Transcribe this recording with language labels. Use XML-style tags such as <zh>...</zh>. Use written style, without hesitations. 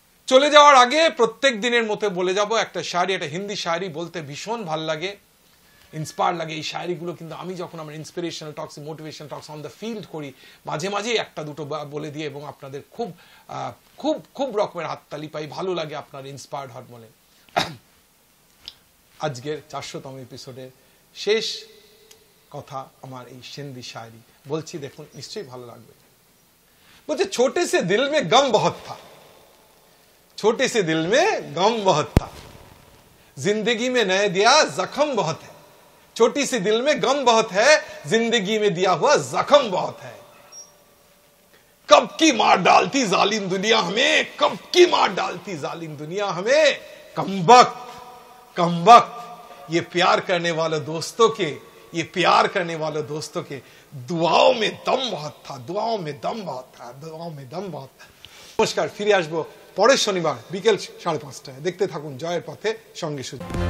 <bn>চলে যাওয়ার আগে প্রত্যেক দিনের মতো বলে যাব একটা শায়রি, একটা হিন্দি শায়রি, বলতে ভীষণ ভাল লাগে, ইন্সপায়ার লাগে এই শায়রিগুলো, কিন্তু আমি যখন আমার inspirational Tux, motivational Tux on the field করি, মাঝে মাঝেই একটা দুটো বলে দিই এবং আপনাদের খুব খুব খুব রকমের হাততালি পাই, ভালো লাগে আপনার ইন্সপায়ার্ড হওয়ার বলে। আজকের 400তম এপিসোডের শেষ কথা আমার এই হিন্দি শায়রি বলছি, দেখুন নিশ্চয়ই ভালো লাগবে। বলছে,</bn> <hi>ছোটে সে দিল মে গম বহত থা, छोटे से दिल में गम बहुत था, जिंदगी में नया दिया जख्म बहुत है, छोटी सी दिल में गम बहुत है, जिंदगी में दिया हुआ जख्म बहुत है। कब की मार डालती जालिम दुनिया हमें, कब की मार डालती जालिम दुनिया हमें, कमबख्त कमबख्त, ये प्यार करने वाले दोस्तों के, ये प्यार करने वाले दोस्तों के दुआओं में दम बहुत था, दुआओं में दम बहुत था, दुआओं में दम बहुत था।</hi> <bn>নমস্কার, ফিরে আসবো পরের শনিবার বিকেল 5:30 দেখতে থাকুন জয়ের পথে সঙ্গে সুজয়।</bn>